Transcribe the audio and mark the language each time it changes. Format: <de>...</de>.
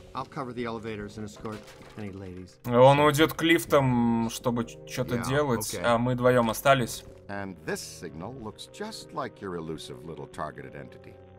<en>I'll cover the elevators and escort any ladies.</en> <ru>Он уйдет к лифтам, чтобы что-то делать, а мы вдвоем остались.</ru> <en>And this signal looks just like your elusive little targeted entity.</en>